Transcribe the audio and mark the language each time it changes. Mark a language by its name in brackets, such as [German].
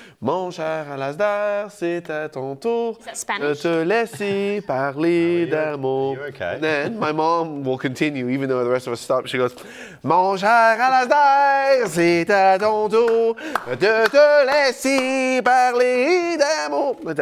[French] Mon cher Alasdair, c'est à ton tour de te laisser parler d'amour. [English] Are you okay? And then my mom will continue, even though the rest of us stop. She goes, [French] mon cher Alasdair, c'est à ton tour de te laisser parler d'amour.